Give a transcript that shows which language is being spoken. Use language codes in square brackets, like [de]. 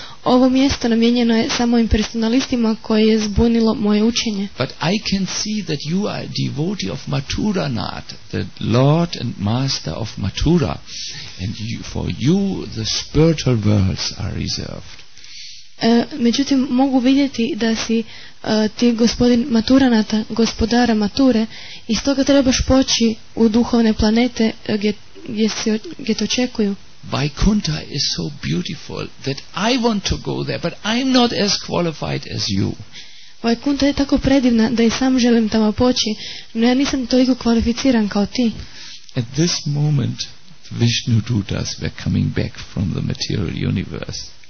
[hr] Ovo mjesto namijenjeno je samo impersonalistima koje je zbunilo moje učenje. [en] But I can see that you are a devotee of Mathuranath, the Lord and Master of Mathura, and you, for you the spiritual worlds are reserved. [hr] Međutim, mogu vidjeti da si ti gospodin Mathuranatha, gospodara Mature, i stoga trebaš poći u duhovne planete gdje te očekuju. [en] Vaikuntha is so beautiful that I want to go there, but I'm not as qualified as you. [hr] Vaikuntha je tako predivna da i sam želim tamo poći, no ja nisam toliko kvalificiran kao ti. [en] At this moment, Vishnu Dutas were coming back from the material universe.